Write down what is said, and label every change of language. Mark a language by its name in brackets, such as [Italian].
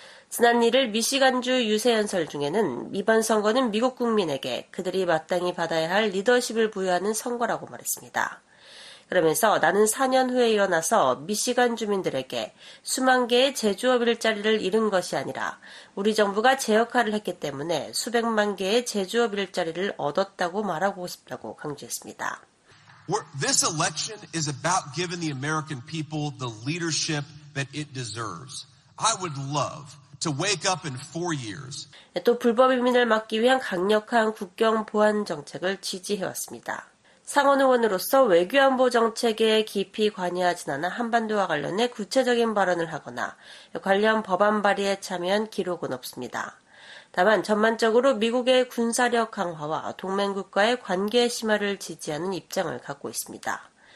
[Korean] 지난 1일 미시간주 유세연설 중에는 이번 선거는 미국 국민에게 그들이 마땅히 받아야 할 리더십을 부여하는 선거라고 말했습니다. 그러면서 나는 4년 후에 일어나서 미시간 주민들에게 수만 개의 제조업 일자리를 잃은 것이 아니라 우리 정부가 제 역할을 했기 때문에 수백만 개의 제조업 일자리를 얻었다고 말하고 싶다고 강조했습니다. [English] This election is about giving the American people the leadership that it deserves. I would love to wake up in 4 years. [Korean] 또 불법 이민을 막기 위한 강력한 국경 보안 정책을 지지해왔습니다. 상원 의원으로서 외교안보 정책에 깊이 관여하진 않아 한반도와 관련해 구체적인 발언을 하거나 관련 법안 발의에 참여한 기록은 없습니다. 다만 전반적으로 미국의 군사력 강화와 동맹국과의 관계 심화를 지지하는 입장을 갖고 있습니다.